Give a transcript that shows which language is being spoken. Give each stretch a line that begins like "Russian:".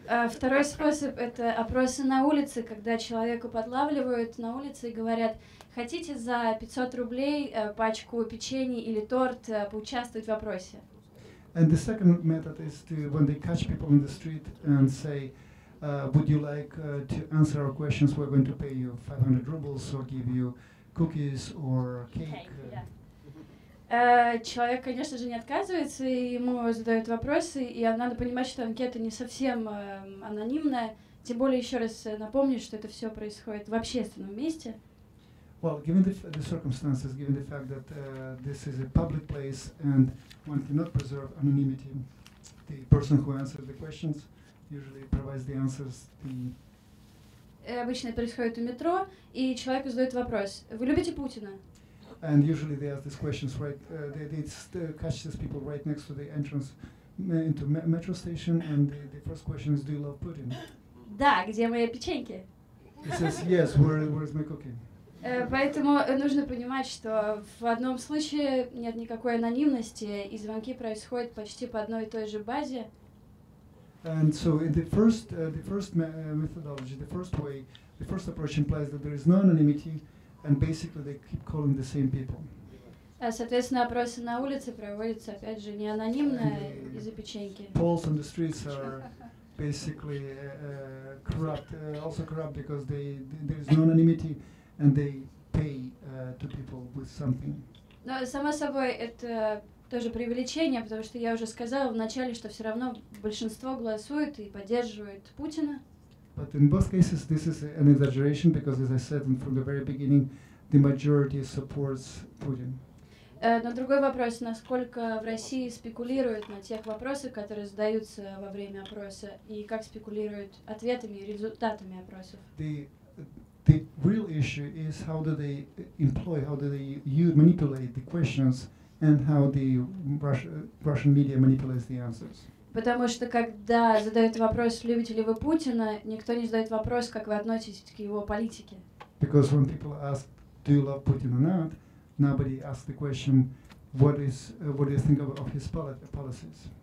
Russian: Второй способ – это опросы на улице, когда человеку подлавливают на улице и говорят: хотите за 500 рублей пачку печенья или торт поучаствовать в опросе?
English: And the second method is when they catch people in the street and say, would you like to answer our questions? We're going to pay you 500 rubles or give you cookies or cake. Okay, yeah.
Russian: Человек, конечно же, не отказывается, и ему задают вопросы, и надо понимать, что анкета не совсем анонимная, тем более еще раз напомню, что это все происходит в общественном месте.
English: Well, given the circumstances, given the fact that this is a public place and one cannot preserve anonymity, the person who answers the questions usually provides the answers.
Russian: Обычно происходит у метро, и человек задает вопрос: вы любите Путина?
English: And usually they ask these questions right. They catch these people right next to the entrance into metro station, and the first question is, "Do you love Putin?"
Russian: Да, где мои печеньки?
English: He says, "Yes, where is my cooking?"
Russian: Поэтому нужно понимать, что в одном случае нет никакой анонимности, и звонки происходят почти по одной и той же базе.
English: And so in the first methodology, the first approach implies that there is no anonymity. And basically they keep calling the same people.
Russian: Соответственно, опросы на улице проводятся, опять же, не анонимно из-за печеньки.
English: Polls on the streets are basically corrupt, also corrupt because there is no anonymity and they pay to people with something.
Russian: Но само собой это тоже преувеличение, потому что я уже сказала в начале, что все равно большинство голосует и поддерживает Путина.
English: But in both cases this is an exaggeration because, as I said from the very beginning, the majority supports Putin.
Russian: Но другой вопрос, насколько в России спекулируют на тех вопросах, которые задаются во время опроса, и как спекулируют ответами и результатами опросов?
English: The real issue is how do they employ, how do they manipulate the questions, and how the Russian media manipulates the answers.
Russian: Потому что когда задают вопрос, любите ли вы Путина, никто не задает вопрос, как вы относитесь к его политике.
English: Because when people ask, do you love Putin or not, nobody asks the question, what do you think of his policies?